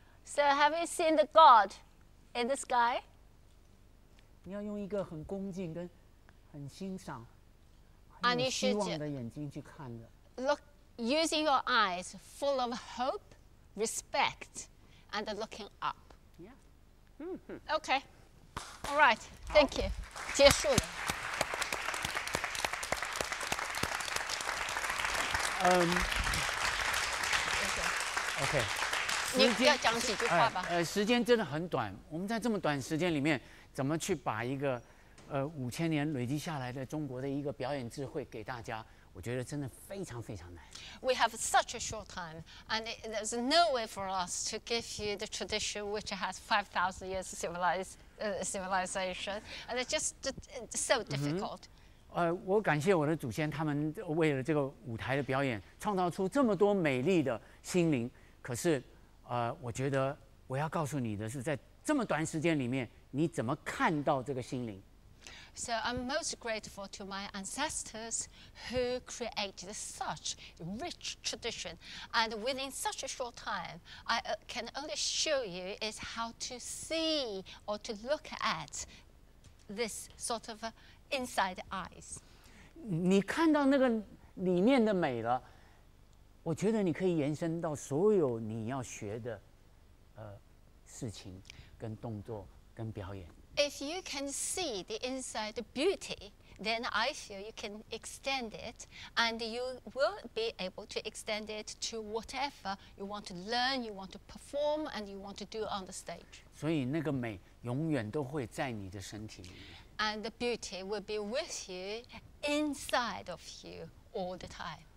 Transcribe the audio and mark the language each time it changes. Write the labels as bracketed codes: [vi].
[en] So have you seen the God in the sky? [zh] 你要用一个很恭敬跟很欣赏, 很有希望的眼睛去看的。 [en] Look. Using your eyes full of hope, respect, and looking up. Yeah. Mm-hmm. Okay. All right. Thank you. [zh] 结束了。 [en] Okay. [zh] 你要讲几句话吧。时间真的很短。我们在这么短时间里面，怎么去把一个五千年累积下来的中国的一个表演智慧给大家？我觉得真的非常非常难。 [en] We have such a short time, and there's no way for us to give you the tradition which has 5,000 years civilization, and it's just so difficult. [zh] 我感谢我的祖先，他们为了这个舞台的表演，创造出这么多美丽的心灵。可是，我觉得我要告诉你的是，在这么短时间里面，你怎么看到这个心灵？ [en] So I'm most grateful to my ancestors who created such rich tradition. And within such a short time, I can only show you is how to see or to look at this sort of inside eyes. [zh] 你看到那个里面的美了，我觉得你可以延伸到所有你要学的事情跟动作跟表演。 [en] If you can see the inside beauty, then I feel you can extend it, and you will be able to extend it to whatever you want to learn, you want to perform, and you want to do on the stage. [zh] 所以那个美永远都会在你的身体里面。 [en] And the beauty will be with you inside of you all the time.